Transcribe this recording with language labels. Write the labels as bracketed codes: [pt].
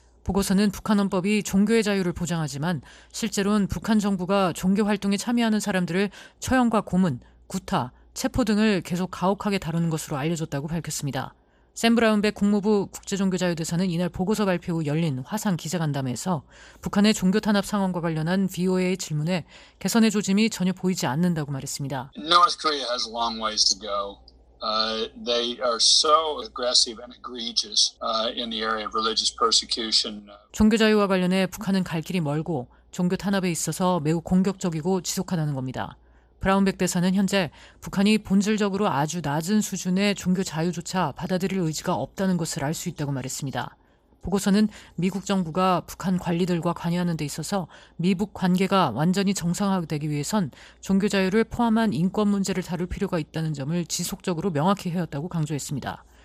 [ko] 보고서는 북한 헌법이 종교의 자유를 보장하지만 실제로는 북한 정부가 종교 활동에 참여하는 사람들을 처형과 고문, 구타, 체포 등을 계속 가혹하게 다루는 것으로 알려졌다고 밝혔습니다. 샘 브라운 백 국무부 국제종교자유대사는 이날 보고서 발표 후 열린 화상 기자간담회에서 북한의 종교 탄압 상황과 관련한 VOA의 질문에 개선의 조짐이 전혀 보이지 않는다고 말했습니다. [en] North Korea has a long ways to go. They are so aggressive and egregious in the area of religious persecution. [ko] 종교 자유와 관련해 북한은 갈 길이 멀고 종교 탄압에 있어서 매우 공격적이고 지속하다는 겁니다. 브라운백 대사는 현재 북한이 본질적으로 아주 낮은 수준의 종교 자유조차 받아들일 의지가 없다는 것을 알 수 있다고 말했습니다. 보고서는 미국 정부가 북한 관리들과 관여하는 데 있어서 미북 관계가 완전히 정상화되기 위해선 종교 자유를 포함한 인권 문제를 다룰 필요가 있다는 점을 지속적으로 명확히 해왔다고 강조했습니다.